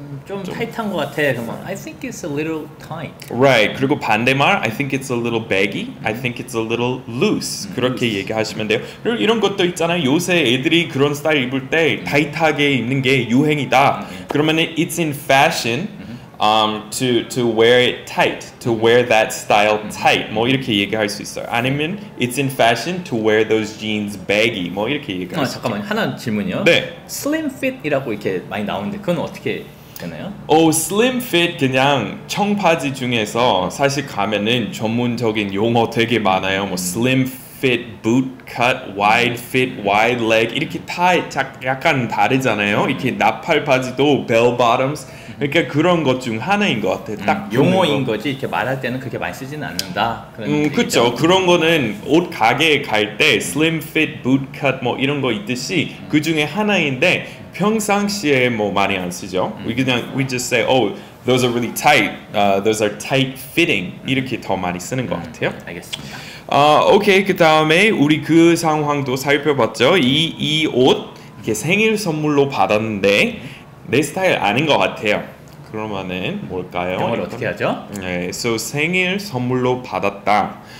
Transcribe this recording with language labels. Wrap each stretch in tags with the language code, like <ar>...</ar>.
<ko>좀 타이트한 것 같아. 그러면</ko> <en>I think it's a little tight. Right. 그리고</en> <ko>반대말</ko> <en>I think it's a little baggy. I think it's a little loose. 그렇게 loose.</en> <ko>얘기하시면 돼요. 그리고 이런 것도 있잖아요. 요새 애들이 그런 스타일 입을 때 타이트하게 입는 게 유행이다. 그러면은</ko> <en>it's in fashion. To wear it tight, to wear that style tight.</en> <ko>뭐 이렇게 얘기할 수 있어요. 아니면</ko> <en>it's in fashion to wear those jeans baggy.</en> <ko>뭐 이렇게 얘기할 수 잠깐만 하나 질문이요. 네. Slim fit이라고 이렇게 많이 나오는데 그건 어떻게 되나요? Slim fit 그냥 청바지 중에서 사실 가면은 전문적인 용어 되게 많아요. 뭐 slim fit, boot cut, wide fit, wide leg 이렇게 다 약간 다르잖아요. 이렇게 나팔 바지도 bell bottoms. 그러니까 그런 것 중 하나인 것 같아. 딱 용어인 거. 거지. 이렇게 말할 때는 그렇게 많이 쓰진 않는다. 그렇죠. 그런 거는 옷 가게에 갈 때 slim fit, boot cut 뭐 이런 거 있듯이 그 중에 하나인데 평상시에 뭐 많이 안 쓰죠.</ko> <en>We</en> <ko>그냥</ko> <en>we just say those are really tight. Those are tight fitting.</en> <ko>이렇게 더 많이 쓰는 것 같아요. 알겠습니다. 오케이. 그다음에 우리 그 상황도 살펴봤죠. 이 옷 이렇게 생일 선물로 받았는데 내 스타일 아닌 것 같아요. 그러면은 뭘까요? 영어를 어떻게 하죠? 네, so 생일 선물로 받았다.</ko>